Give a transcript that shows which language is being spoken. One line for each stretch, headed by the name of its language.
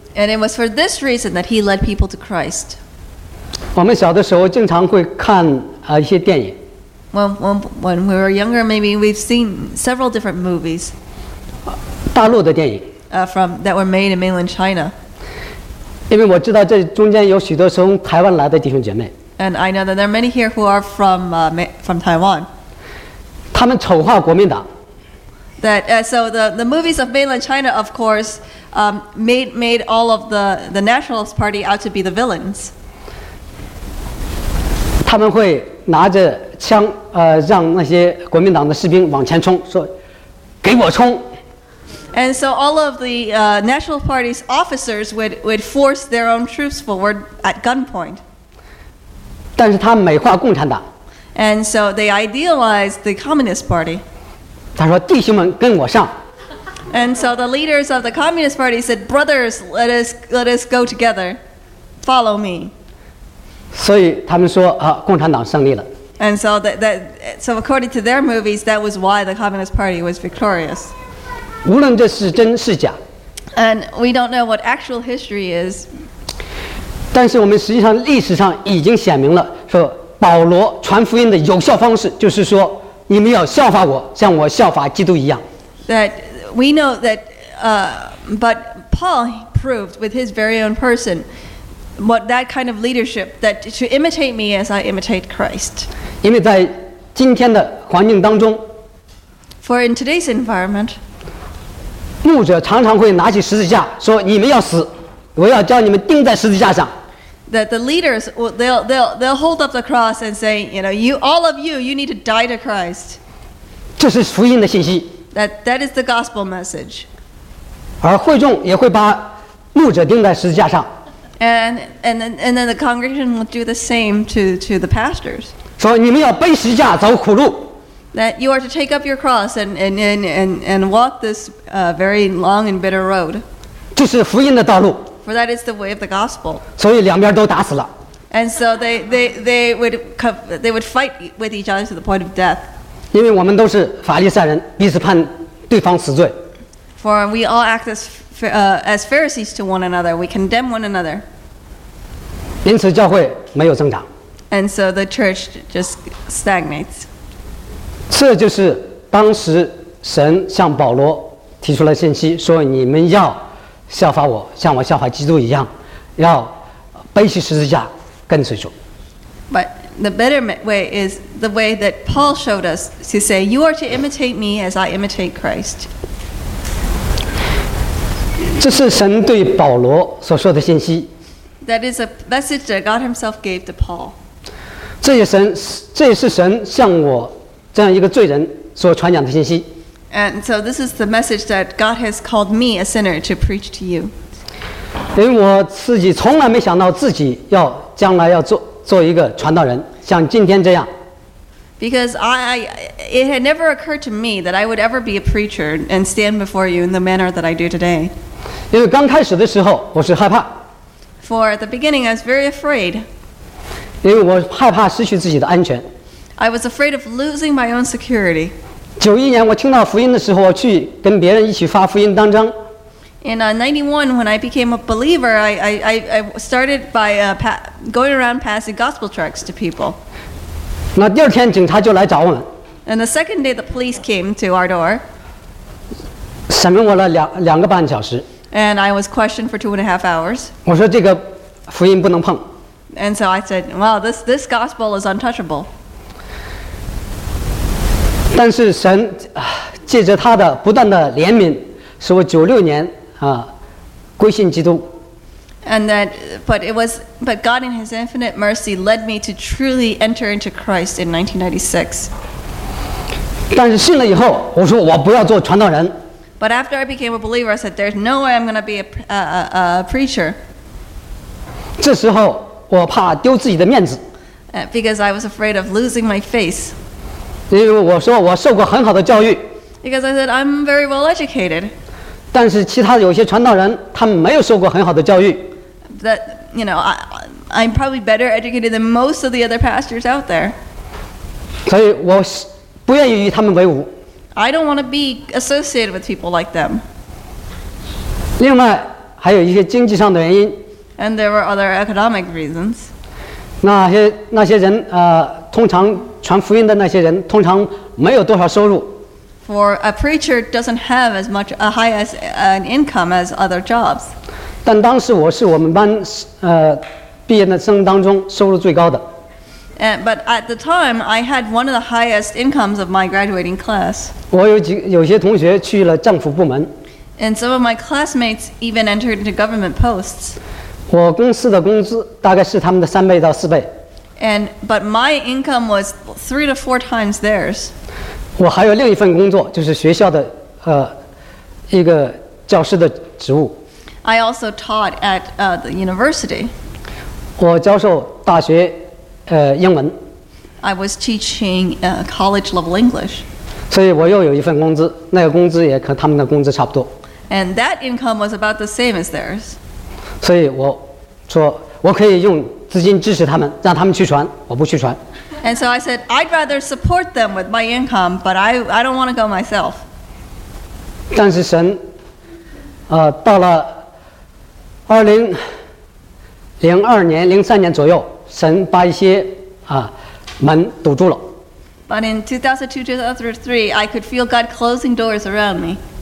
English: And it was for this reason that he led people to Christ.
Chinese: 我们小的时候经常会看一些电影。
English: When we were younger, maybe we've seen several different movies.
Chinese: 大陆的电影。
English: That were made in mainland China.
Chinese: 因为我知道这中间有许多从台湾来的弟兄姐妹。
English: And I know that there are many here who are from Taiwan.
Chinese: 他们丑化国民党。
English: That so the movies of mainland China, of course, made all of the Nationalist Party out to be the villains.
Chinese: 他们会拿着枪让那些国民党的士兵往前冲，说给我冲。
English: And so all of the National Party's officers would force their own troops forward at gunpoint.
Chinese: 但是他美化共产党。
English: And so they idealized the Communist Party.
Chinese: 他说弟兄们跟我上。
English: And so the leaders of the Communist Party said, brothers, let us go together. Follow me.
Chinese: 所以他们说共产党胜利了。
English: And so so according to their movies, that was why the Communist Party was victorious.
Chinese: 无论这是真是假。
English: And we don't know what actual history is.
Chinese: 但是我们实际上历史上已经显明了说保罗传福音的有效方式就是说你们要效法我，像我效法基督一样。
English: That we know that, but Paul proved with his very own person what that kind of leadership that to imitate me as I imitate Christ.
Chinese: 因为在今天的环境当中
English: ，For in today's environment,
Chinese: 牧者常常会拿起十字架说：“你们要死，我要叫你们钉在十字架上。”
English: That the leaders they'll hold up the cross and say, you know, you all of you, you need to die to Christ.
Chinese: 这是福音的信息。
English: That is the gospel message.
Chinese: 而会众也会把牧者钉在十字架上。
English: And then the congregation will do the same to the pastors.
Chinese: 说你们要背十字架走苦路。
English: That you are to take up your cross and walk this very long and bitter road.
Chinese: 这是福音的道路。
English: For that is the way of the gospel.
Chinese: 所以两边都打死了。
English: And so they would fight with each other to the point of death.
Chinese: 因为我们都是法利赛人，彼此判对方死罪。
English: For we all act as Pharisees to one another. We condemn one another.
Chinese: 因此教会没有增长。
English: And so the church just stagnates.
Chinese: 这就是当时神向保罗提出了信息，说你们要。效法我，像我效法基督一样，要背起十字架跟随主。
English: But the better way is the way that Paul showed us to say, "You are to imitate me as I imitate Christ."
Chinese: 这是神对保罗所说的信息。
English: That is a message that God Himself gave to Paul.
Chinese: 这也是神向我这样一个罪人所传讲的信息。
English: And so this is the message that God has called me, a sinner, to preach to you.
Chinese: 因为我自己从来没想到自己要将来要做一个传道人，像今天这样。
English: Because it had never occurred to me that I would ever be a preacher and stand before you in the manner that I do today.
Chinese: 因为刚开始的时候我是害怕。
English: For at the beginning, I was very afraid.
Chinese: 因为我害怕失去自己的安全。
English: I was afraid of losing my own security.
Chinese: 91年我听到福音的时候，我去跟别人一起发福音当章。
English: In 91, when I became a believer, I started by going around passing gospel tracts to people.
Chinese: 那第二天警察就来找我们。
English: And the second day, the police came to our door.
Chinese: 审问我了两个半小时。
English: And I was questioned for 2.5 hours.
Chinese: 我说这个福音不能碰。
English: And so I said, well, this gospel is untouchable.
Chinese: 但是神借着他的不断的怜悯，使我96年归信基督。
English: And that, but God in His infinite mercy led me to truly enter into Christ in 1996.
Chinese: 但是信了以后，我说我不要做传道人。
English: But after I became a believer, I said, "There's no way I'm going to be a preacher."
Chinese: 这时候我怕丢自己的面子。
English: Because I was afraid of losing my face.
Chinese: 因为我说我受过很好的教育
English: ，Because I said I'm very well educated.
Chinese: 但是其他有些传道人，他们没有受过很好的教育。
English: That you know, I'm probably better educated than most of the other pastors out there.
Chinese: 所以我不愿意与他们为伍。
English: I don't want to be associated with people like them.
Chinese: 另外还有一些经济上的原因。
English: And there were other economic reasons.
Chinese: 那些人通常。传福音的那些人通常没有多少收入。
English: For a preacher doesn't have as much a high as an income as other jobs.
Chinese: 但当时我是我们班毕业的生当中收入最高的。
English: But at the time, I had one of the highest incomes of my graduating class.
Chinese: 我有些同学去了政府部门。
English: And some of my classmates even entered into government posts.
Chinese: 我公司的工资大概是他们的3倍到4倍。
English: But my income was 3 to 4 times theirs.
Chinese: 我还有另一份工作，就是学校的一个教师的职务。
English: I also taught at the university.
Chinese: 我教授大学英文。
English: I was teaching college level English.
Chinese: 所以我又有一份工资，那个工资也和他们的工资差不多。
English: And that income was about the same as theirs.
Chinese: 所以我说我可以用。资金支持他们，让他们去传，我不去传。
English: And so I said, I'd rather support them with my income, but I don't want to go myself.
Chinese: 但是神，到了2002年、03年左右，神把一些门堵住了。
English: But in 2002-2003, I could feel God closing doors around me.